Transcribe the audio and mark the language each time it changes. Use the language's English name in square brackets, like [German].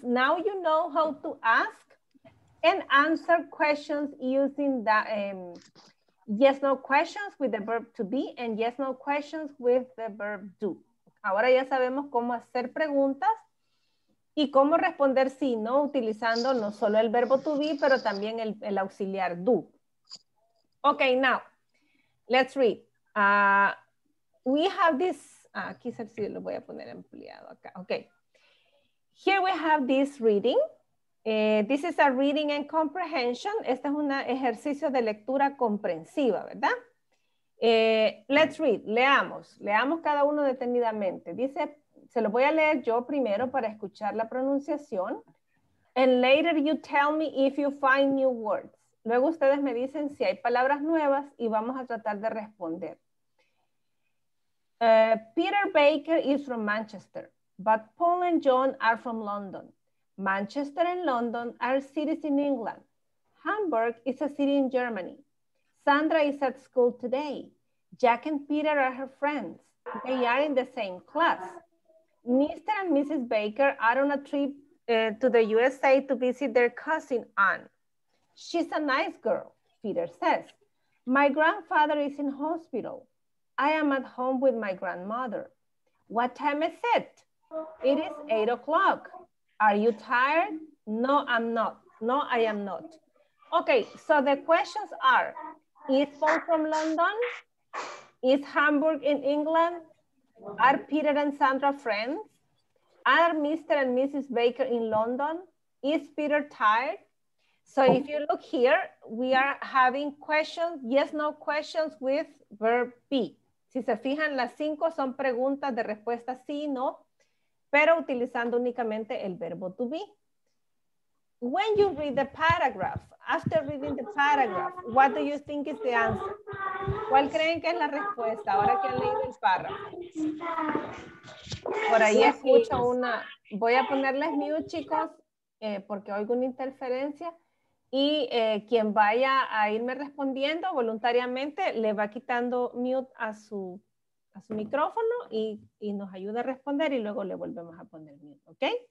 [English] Now you know how to ask and answer questions using the yes, no questions with the verb to be and yes, no questions with the verb do. [Spanish] Ahora ya sabemos cómo hacer preguntas y cómo responder sí, ¿no? Utilizando no solo el verbo to be, pero también el auxiliar do. [English] Okay, now, let's read. We have this, [Spanish] aquí se lo voy a poner ampliado acá. [English] Okay. Here we have this reading. This is a reading and comprehension. [Spanish] Este es un ejercicio de lectura comprensiva, ¿verdad? [English] Let's read, [Spanish] leamos. Leamos cada uno detenidamente. Dice, se lo voy a leer yo primero para escuchar la pronunciación. [English] And later you tell me if you find new words. [Spanish] Luego ustedes me dicen si hay palabras nuevas y vamos a tratar de responder. [English] Peter Baker is from Manchester, but Paul and John are from London. Manchester and London are cities in England. Hamburg is a city in Germany. Sandra is at school today. Jack and Peter are her friends. They are in the same class. Mr. and Mrs. Baker are on a trip to the USA to visit their cousin, Anne. She's a nice girl, Peter says. My grandfather is in hospital. I am at home with my grandmother. What time is it? It is 8 o'clock. Are you tired? No, I'm not. No, I am not. Okay, so the questions are, is Paul from London? Is Hamburg in England? Are Peter and Sandra friends? Are Mr. and Mrs. Baker in London? Is Peter tired? So if you look here, we are having questions, yes, no questions with verb be. [Spanish] Si se fijan, las cinco son preguntas de respuesta sí, no, pero utilizando únicamente el verbo to be. When you read the paragraph, after reading the paragraph, what do you think is the answer? ¿Cuál creen que es la respuesta ahora que han leído el párrafo? Por ahí escucho una. Voy a ponerles mute, chicos, porque oigo una interferencia. Y quien vaya a irme respondiendo voluntariamente, le va quitando mute a su micrófono y nos ayuda a responder y luego le volvemos a poner mute, ¿ok?